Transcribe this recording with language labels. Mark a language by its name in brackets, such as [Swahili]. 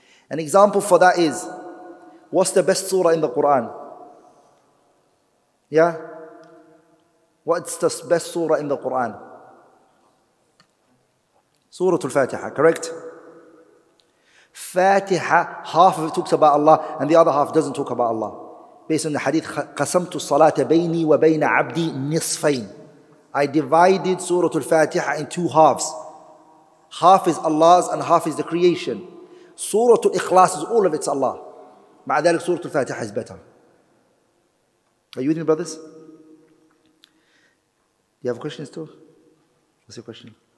[English] An example for that is, what's the best surah in the Quran? Yeah? What's the best surah in the Quran? Surah Al-Fatiha, correct? Fatiha, half of it talks about Allah and the other half doesn't talk about Allah. Based on the hadith, [Arabic] قَسَمْتُ الصَّلَاةَ بَيْنِي وَبَيْنَ عَبْدِي نِصْفَيْنِ. [English] I divided Surah Al-Fatiha in two halves. Half is Allah's and half is the creation. Surah Al-Ikhlas is all of it's Allah. [Arabic] مَعَ ذَلِكَ [English] Surah Al-Fatiha is better. Are you with me, brothers? You have questions too? What's your question?